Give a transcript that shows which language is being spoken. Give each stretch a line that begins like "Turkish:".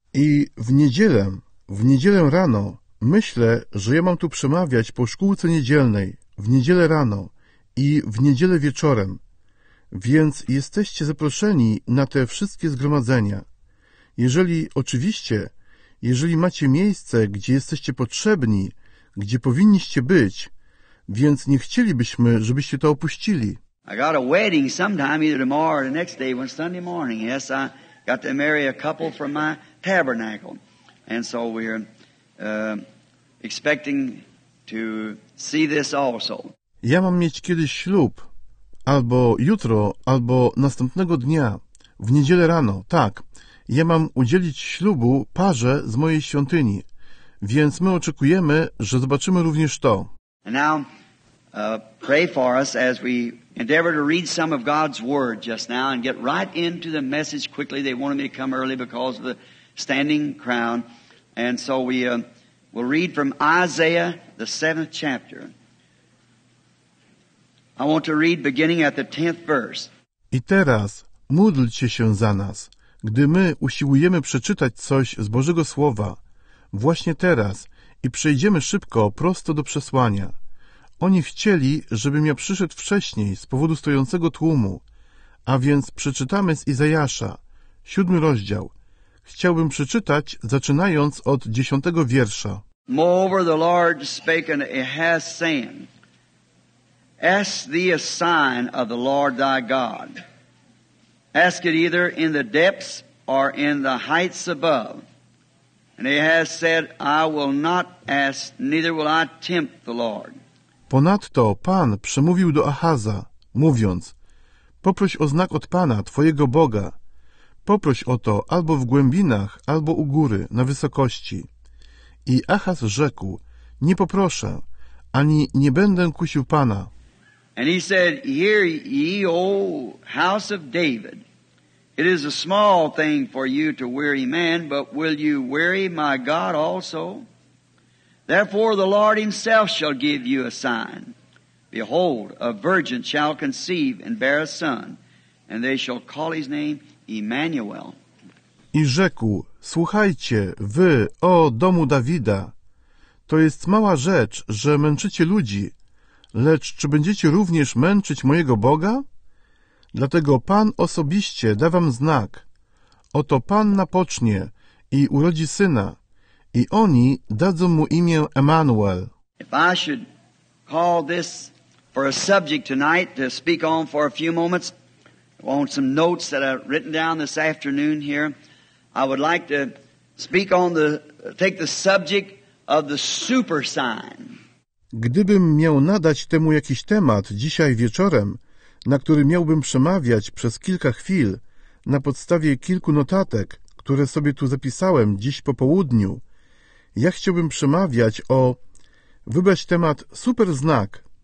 Polish: I w niedzielę rano, myślę, że ja mam tu przemawiać po szkółce niedzielnej, w niedzielę rano i w niedzielę wieczorem. Więc jesteście zaproszeni na te wszystkie zgromadzenia. Jeżeli, oczywiście, jeżeli macie miejsce, gdzie jesteście potrzebni, gdzie powinniście być, więc nie chcielibyśmy, żebyście to opuścili.
English: I got a wedding sometime, either tomorrow or the next day, when Sunday morning. Yes, I got to marry a couple from my tabernacle. And so we're expecting to see this also.
Polish: Ja mam mieć kiedyś ślub. Albo jutro, albo następnego dnia. W niedzielę rano, tak. Ja mam udzielić ślubu parze z mojej świątyni. Więc my oczekujemy, że zobaczymy również to.
English: And now, pray for us as we endeavor to read some of God's word just now and get right into the message quickly. They wanted me to come early because of the standing crown. And so we will read from Isaiah, the 7th chapter. I want to read beginning at the 10th verse.
Polish: I teraz módlcie się za nas, gdy my usiłujemy przeczytać coś z Bożego Słowa. Właśnie teraz i przejdziemy szybko prosto do przesłania. Oni chcieli, żebym ja przyszedł wcześniej z powodu stojącego tłumu, a więc przeczytamy z Izajasza, 7 rozdział. Chciałbym przeczytać, zaczynając od 10 wiersza.
English: Moreover, the Lord spake and has saying, ask thee a sign of the Lord thy God. Ask it either in the depths or in the heights above. And he has said, I will not ask, neither will I tempt the Lord.
Polish: Ponadto Pan przemówił do Achaza, mówiąc, poproś o znak od Pana, Twojego Boga. Poproś o to albo w głębinach, albo u góry, na wysokości. I Achaz rzekł, nie poproszę, ani nie będę kusił Pana.
English: And he said, hear ye, O house of David, it is a small thing for you to weary man, but will you weary my God also? Therefore the Lord himself shall give you a sign. Behold, a virgin shall conceive and bear a son, and they shall call his name Emmanuel.
Polish: I rzekł, słuchajcie, wy, o domu Dawida, to jest mała rzecz, że męczycie ludzi, lecz czy będziecie również męczyć mojego Boga? Dlatego Pan osobiście da wam znak. Oto Pan napocznie i urodzi syna, i oni dadzą mu imię Emmanuel.
English: If I should call this for a subject tonight to speak on for a few moments, on some notes that I've written down this afternoon here, I would like to speak on the, take the subject of the super sign.
Polish: Gdybym miał nadać temu jakiś temat dzisiaj wieczorem, na który miałbym przemawiać przez kilka chwil na podstawie kilku notatek, które sobie tu zapisałem dziś po południu, ja chciałbym przemawiać o, wybrać temat, super znak.